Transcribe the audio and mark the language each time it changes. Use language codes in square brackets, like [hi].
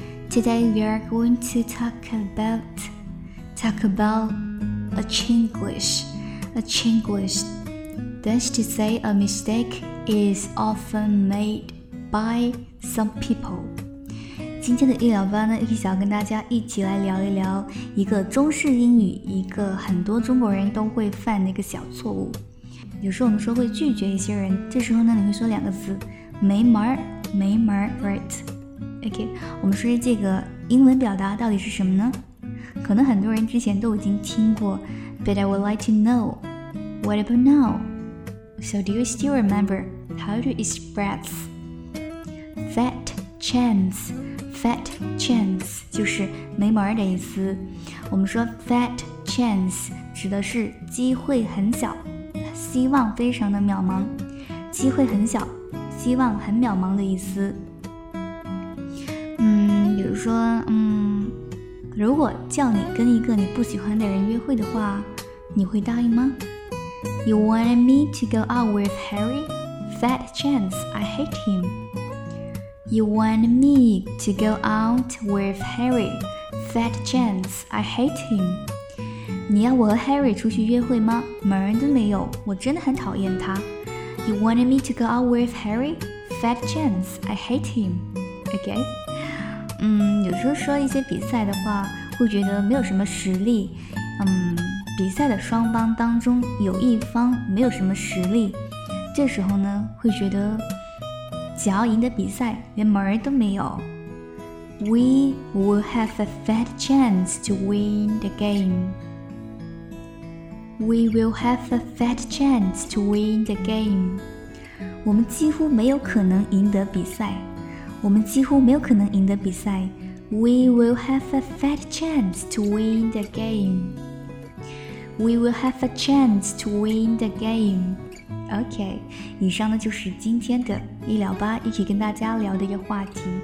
[en] Today we are going to talk about a Chinglish. A Chinglish, that's to say a mistake is often made by some people. [zh] 今天的医疗班呢，一起想要跟大家一起来聊一聊一个中式英语，一个很多中国人都会犯的一个小错误。有时候我们说会拒绝一些人，这时候呢，你会说两个字，没门儿，没门儿 ，right？ OK， 我们说这个英文表达到底是什么呢？可能很多人之前都已经听过 [en] ，but I would like to know what about now？ So do you still remember how to express fat chance？ [zh] Fat chance 就是没门的意思。我们说 fat chance 指的是机会很小，希望非常的渺茫，机会很小，希望很渺茫的意思。嗯，比如说，如果叫你跟一个你不喜欢的人约会的话，你会答应吗？ [en] You wanted me to go out with Harry? Fat chance, I hate him. You want me to go out with Harry? Fat chance, I hate him. [zh] 你要我和 Harry 出去约会吗？门儿都没有，我真的很讨厌他。 [en] You want me to go out with Harry? Fat chance, I hate him. Okay? [zh] 有时候说一些比赛的话，会觉得没有什么实力。比赛的双方当中有一方没有什么实力，这时候呢，会觉得只要赢得比赛连门都没有。 [en] We will have a fat chance to win the game. We will have a fat chance to win the game. [zh] 我们几乎没有可能赢得比赛，我们几乎没有可能赢得比赛。 [en] We will have a fat chance to win the game. We will have a chance to win the game. [zh] OK， 以上呢就是今天的医疗吧，一起跟大家聊的一个话题。